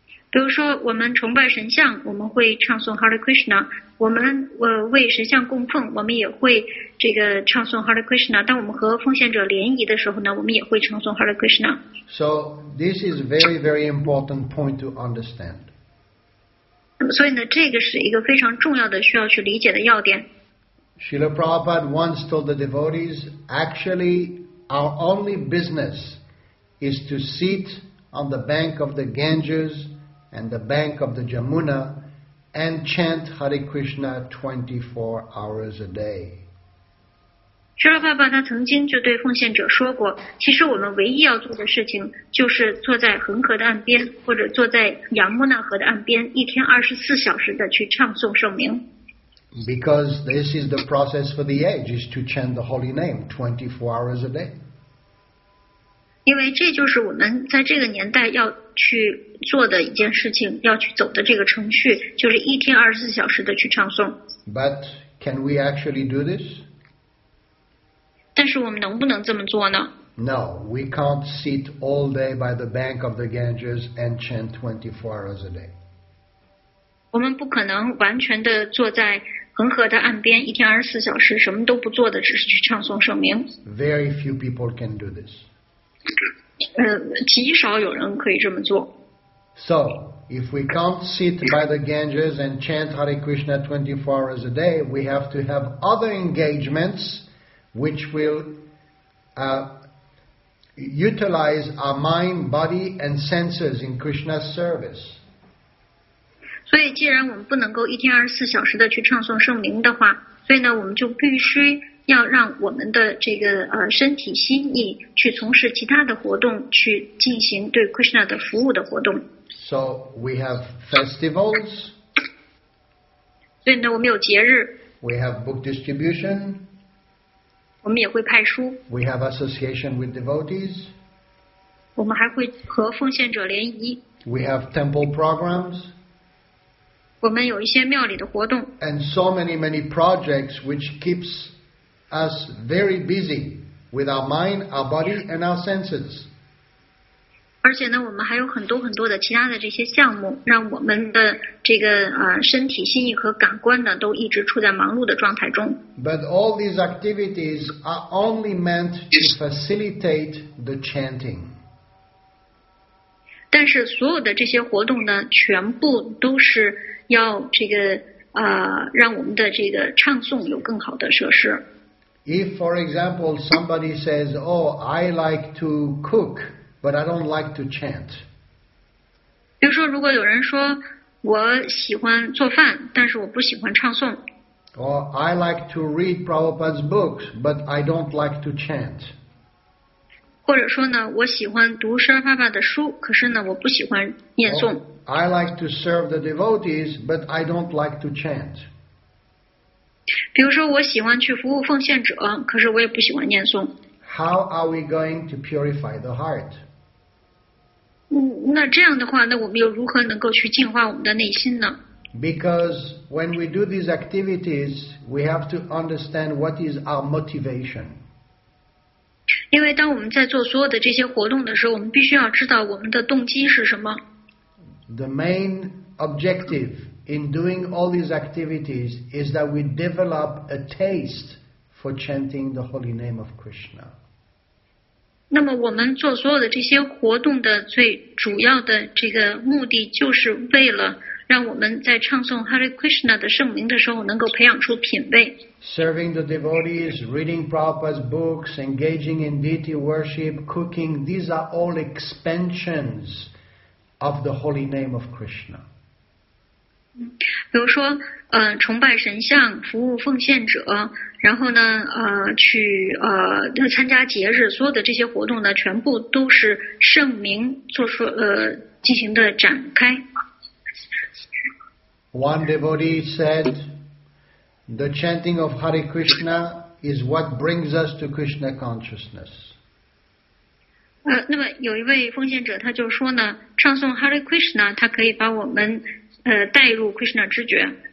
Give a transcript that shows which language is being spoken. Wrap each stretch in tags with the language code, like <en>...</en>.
<zh>比如说我们崇拜神像我们会唱诵 Hare Krishna 我们为神像供奉我们也会这个唱诵 Hare Krishna 当我们和奉献者联谊的时候呢我们也会唱诵 Hare Krishna</zh> <en>So this is a very very important point to understand</en> <zh>所以呢这个是一个非常重要的需要去理解的要点</zh> <en>Srila Prabhupada once told the devotees actually our only business is to sit on the bank of the GangesAnd the bank of the Jamuna, and chant Hare Krishna 24 hours a day.</en> <zh>Srila Prabhupada 曾经就对奉献者说过，其实我们唯一要做的事情就是坐在恒河的岸边，或者坐在杨木那河的岸边，一天24小时的去唱诵圣名。</zh> <en>Because this is the process for the age, is to chant the holy name 24 hours a day.</en> <zh>因为这就是我们在这个年代要去做的一件事情，要去走的这个程序，就是一天24小时的去唱诵。</zh> <en>But can we actually do this?</en> <zh>但是我们能不能这么做呢？</zh> <en>No, we can't sit all day by the bank of the Ganges and chant 24 hours a day.</en> <zh>我们不可能完全的坐在恒河的岸边，一天24小时什么都不做的，只是去唱诵圣名。</zh> <en>Very few people can do this.</en> <zh>极少有人可以这么做。</zh> <en>So, if we can't sit by the Ganges and chant Hare Krishna 24 hours a day, we have to have other engagements which will utilize our mind, body, and senses in Krishna's service.</en> <zh>所以，既然我们不能够一天24小时的去唱诵圣名的话，所以呢，我们就必须。要让我们的这个身体心意去从事其他的活动，去进行对 Krishna 的服务的活动。</zh> <en>So we have festivals.</en> <zh>所以呢，我们有节日。</zh> <en>We have book distribution.</en> <zh>我们也会派书。</zh> <en>We have association with devotees.</en> <zh>我们还会和奉献者联谊。</zh> <en>We have temple programs.</en> <zh>我们有一些庙里的活动。</zh> <en>And so many many projects which keeps. Us very busy with our mind, our body, and our senses.</en> <zh>而且呢，我们还有很多很多的其他的这些项目，让我们的这个身体、心意和感官呢，都一直处在忙碌的状态中。</zh> <en>But all these activities are only meant to facilitate the chanting.</en> <zh>但是所有的这些活动呢，全部都是要这个让我们的这个唱诵有更好的设施。</zh> <en>If, for example, somebody says, "Oh, I like to cook." But I don't like to chant.</en> <zh>比如说，如果有人说我喜欢做饭，但是我不喜欢唱诵。</zh> <en>Or I like to read Prabhupada's books, but I don't like to chant.</en> <zh>或者说呢，我喜欢读释迦牟尼佛的书，可是呢，我不喜欢念诵。</zh> <en>I like to serve the devotees, but I don't like to chant.</en> <zh>比如说，我喜欢去服务奉献者，可是我也不喜欢念诵。</zh> <en>How are we going to purify the heart?</en> <zh>那这样的话，那我们又如何能够去净化我们的内心呢？</zh> <en>Because when we do these activities, we have to understand what is our motivation.</en> <zh>因为当我们在做所有的这些活动的时候，我们必须要知道我们的动机是什么。</zh> <en>The main objective in doing all these activities is that we develop a taste. For chanting the holy name of Krishna.</en> <zh>那么我们做所有的这些活动的最主要的这个目的，就是为了让我们在唱诵 Hare Krishna 的圣名的时候，能够培养出品味。</zh> <en>Serving the devotees, reading Prabhupada's books, engaging in deity worship, cooking, these are all expansions of the holy name of Krishna.</en> <zh>比如说崇拜神像，服务奉献者，然后呢去参加节日，所有的这些活动呢，全部都是圣名做出进行的展开。</zh> <en>One devotee said, "The chanting of Hare Krishna is what brings us to Krishna consciousness."</en> <zh>那么有一位奉献者他就说呢，唱诵 Hare Krishna， 它可以把我们带入 Krishna 知觉。</zh>